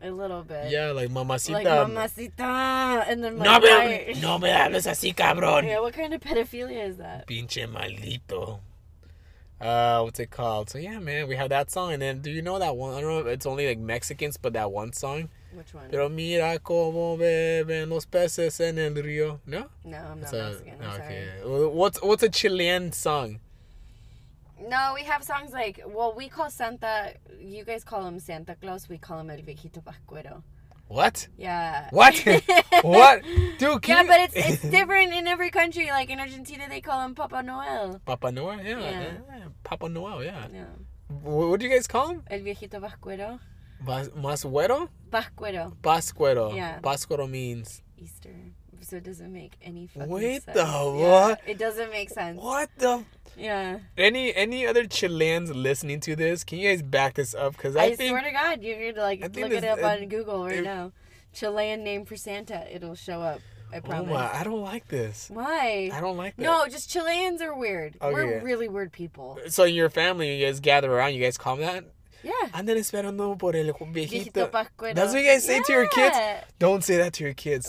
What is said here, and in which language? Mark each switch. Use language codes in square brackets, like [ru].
[en] A little bit. Yeah, like mamacita. Like mamacita. And then my [es] No me hables así, cabrón. [en] Yeah, what kind of pedophilia is that? [es] Pinche maldito. [en] What's it called? So yeah, man, we have that song. And then do you know that one? I don't know if it's only like Mexicans, but that one song. Which one? [es] Pero mira como beben los peces en el río. [en] No? No, I'm not Mexican. What's a Chilean song? No, we have songs like, well, we call Santa, you guys call him Santa Claus, we call him El Viejito Pascuero. What? Yeah. What? What? Dude, can you... but it's different in every country. Like in Argentina, they call him Papa Noel. Papa Noel, yeah. Papa Noel, yeah. Yeah. What do you guys call him? El Viejito Pascuero. Masuero? Pascuero. Pascuero. Yeah. Pascuero means... Easter. So it doesn't make any fucking sense. It doesn't make sense. What the... Yeah. Any other Chileans listening to this, can you guys back this up? Because I think, swear to God, you're going to like look this, it up on Google right now. Chilean name for Santa. It'll show up. I promise. Oh, I don't like this. Why? I don't like that. No, just Chileans are weird. Okay. We're really weird people. So in your family, you guys gather around, you guys call that? Yeah. [es] Andan esperando por el viejito. [en] That's what you guys say to your kids? Don't say that to your kids.